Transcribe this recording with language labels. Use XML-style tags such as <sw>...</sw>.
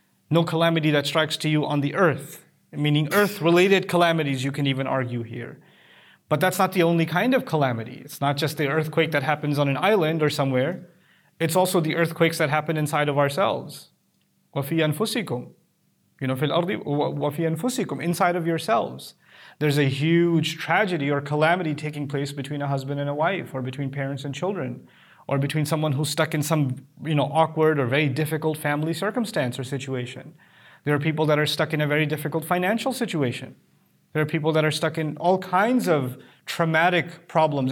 <en>No calamity that strikes to you on the earth. Meaning earth-related calamities, you can even argue here. But that's not the only kind of calamity. It's not just the earthquake that happens on an island or somewhere. It's also the earthquakes that happen inside of ourselves.</en> <ar>وَفِي أَنفُسِكُمْ.</ar> <en>You know,</en> <ar>فِي الْأَرْضِ وَفِي أَنفُسِكُمْ.</ar> <en>Inside of yourselves. There's a huge tragedy or calamity taking place between a husband and a wife, or between parents and children, or between someone who's stuck in some, you know, awkward or very difficult family circumstance or situation. There are people that are stuck in a very difficult financial situation. There are people that are stuck in all kinds of traumatic problems.</en>